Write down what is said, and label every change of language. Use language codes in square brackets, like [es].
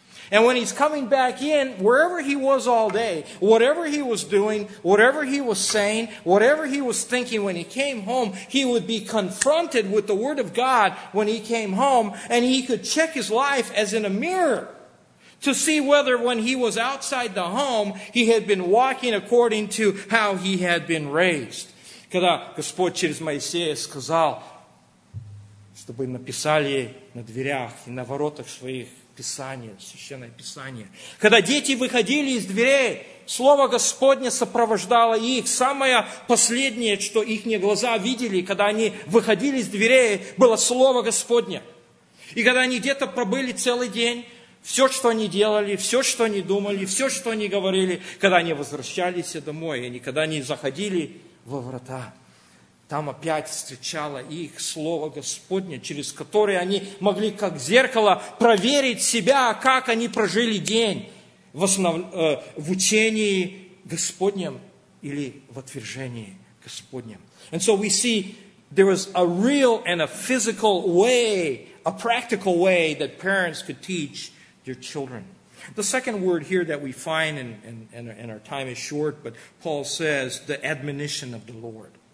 [en] And when he's coming back in, wherever he was all day, whatever he was doing, whatever he was saying, whatever he was thinking when he came home, he would be confronted with the Word of God when he came home, and he could check his life as in a mirror to see whether when he was outside the home, he had been walking according to how he had been raised. [ru] Когда Господь через Моисея сказал, чтобы написали на дверях и на воротах своих Писание, Священное Писание. Когда дети выходили из дверей, Слово Господне сопровождало их. Самое последнее, что их глаза видели, когда они выходили из дверей, было Слово Господне. И когда они где-то пробыли целый день, все, что они делали, все, что они думали, все, что они говорили, когда они возвращались домой, они когда они заходили во врата, там опять встречало их Слово Господне, через которое они могли как зеркало проверить себя, как они прожили день в учении Господнем или в отвержении Господнем. [en] And so we see there was a real and a physical way, a practical way that parents could teach their children. The second word here that we find, and our time is short, but Paul says the admonition of the Lord.